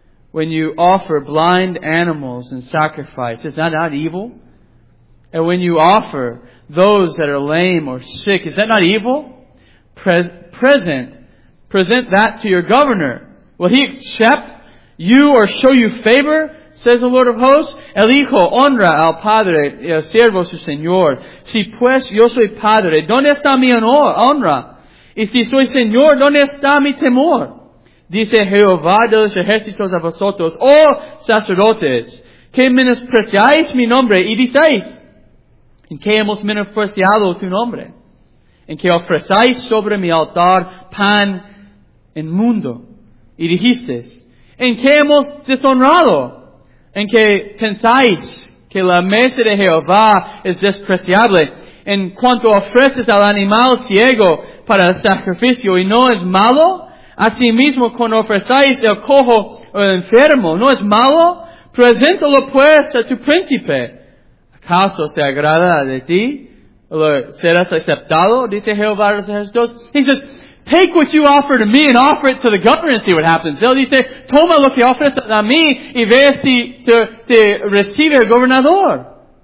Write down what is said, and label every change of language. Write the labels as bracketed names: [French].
[English] When you offer blind animals in sacrifice, is that not evil? And when you offer those that are lame or sick, is that not evil? Present that to your governor. Will he accept you or show you favor? Says the Lord of hosts. [Spanish] El hijo honra al padre y el siervo su señor. Si pues yo soy padre, ¿dónde está mi honra? Y si soy señor, ¿dónde está mi temor? Dice Jehová de los ejércitos a vosotros, oh sacerdotes, que menospreciáis mi nombre y diceis, ¿en qué hemos menospreciado tu nombre? ¿En qué ofrecéis sobre mi altar pan inmundo? Y dijisteis, ¿en qué hemos deshonrado? ¿En qué pensáis que la mesa de Jehová es despreciable? ¿En cuanto ofreces al animal ciego para el sacrificio y no es malo? Asimismo, cuando ofrecéis el cojo o el enfermo, ¿no es malo? Preséntalo pues a tu príncipe. ¿Acaso se agrada de ti? ¿Serás aceptado? Dice Jehová de los ejércitos. [English] He says, take what you offer to me and offer it to the governor and see what happens. [Spanish] Él dice, toma lo que ofreces a mí y ve si te recibe el gobernador.